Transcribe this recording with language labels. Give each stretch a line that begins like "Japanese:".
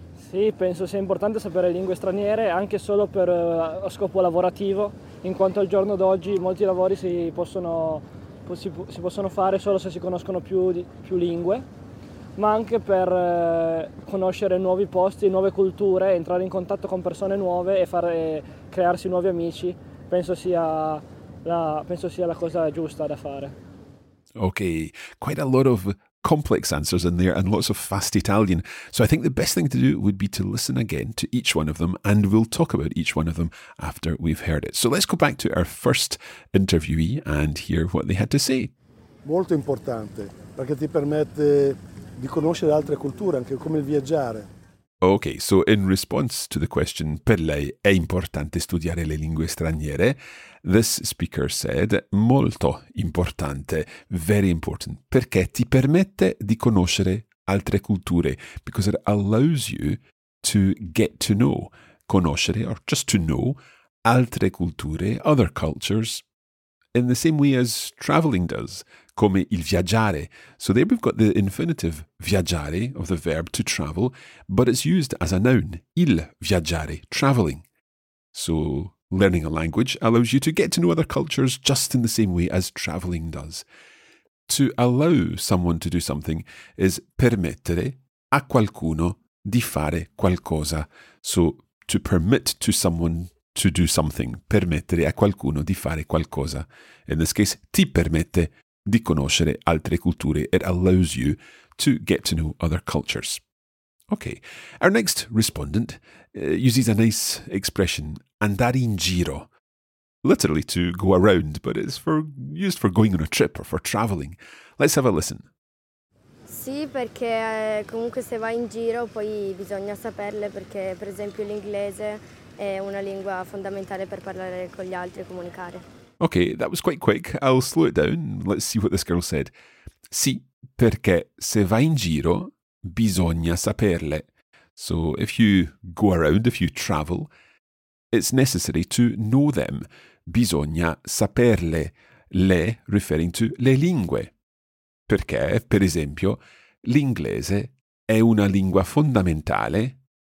Italian: Sì, penso sia importante sapere lingue straniere anche solo per scopo lavorativo, in quanto al giorno d'oggi molti lavori si possono fare solo se si conoscono più lingue, ma anche per conoscere nuovi posti, nuove culture, entrare in contatto con persone nuove e crearsi nuovi amici, penso sia la cosa giusta da fare.
English: Ok, quite a lot of complex answers in there and lots of fast Italian. So I think the best thing to do would be to listen again to each one of them and we'll talk about each one of them after we've heard it. So let's go back to our first interviewee and hear what they had to say.
Italian: Molto importante perché ti permette di conoscere altre culture, anche come il viaggiare.
English: Okay, so in response to the question,
Italian: per lei è importante studiare le lingue straniere?
English: This speaker said,
Italian: molto importante,
English: very important,
Italian: perché ti permette di conoscere altre culture,
English: because it allows you to get to know, conoscere, or just to know,
Italian: altre culture,
English: other cultures, in the same way as traveling does,
Italian: come il viaggiare.
English: So there we've got the infinitive viaggiare of the verb to travel, but it's used as a noun,
Italian: il viaggiare,
English: traveling. So learning a language allows you to get to know other cultures just in the same way as traveling does. To allow someone to do something is
Italian: permettere a qualcuno di fare qualcosa.
English: So to permit to someone to do something,
Italian: permettere a qualcuno di fare qualcosa.
English: In this case,
Italian: ti permette di conoscere altre culture.
English: It allows you to get to know other cultures. Okay, our next respondent uses a nice expression,
Italian: andare in giro.
English: Literally to go around, but it's used for going on a trip or for traveling. Let's have a listen.
Italian: Sì, perché comunque se vai in giro poi bisogna saperle, perché per esempio l'inglese è una lingua fondamentale per parlare con gli altri e comunicare.
English: Okay, that was quite quick. I'll slow it down. Let's see what this girl said.
Italian: Sì, perché se vai in giro, bisogna saperle.
English: So if you go around, if you travel, it's necessary to know them.
Italian: Bisogna saperle. Le,
English: referring to
Italian: le lingue. Perché, per esempio, l'inglese è una lingua fondamentale.